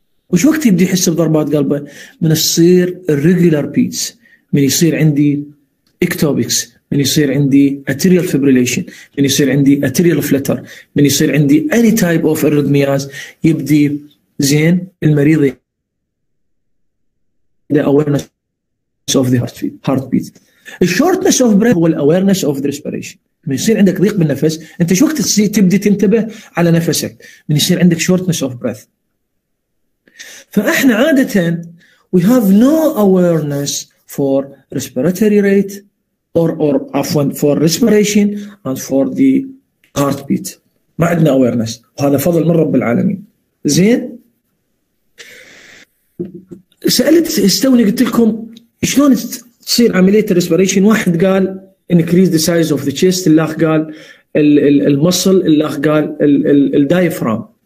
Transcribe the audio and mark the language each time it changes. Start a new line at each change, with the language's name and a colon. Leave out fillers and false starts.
Arabic: وش وقت يبدي يحس بضربات قلبه؟ من يصير regular beats، من يصير عندي ectopics، من يصير عندي arterial fibrillation، من يصير عندي arterial flutter، من يصير عندي
English: any type of arrhythmias،
Arabic: يبدي زين المريض
English: the awareness of the heartbeat. The shortness of breath
Arabic: هو
English: the awareness of the respiration.
Arabic: من يصير عندك ضيق بالنفس انت شو وقت تبدي تنتبه على نفسك؟ من يصير عندك
English: shortness of breath.
Arabic: فاحنا عادة
English: we have no awareness for respiratory rate or often for respiration and for the heartbeat.
Arabic: ما عندنا awareness، وهذا فضل من رب العالمين. زين سألت استوني قلت لكم شلون تصير عملية respiration، واحد قال
English: increase the size of the chest،
Arabic: الاخ قال المصل، الاخ قال الدايفرام.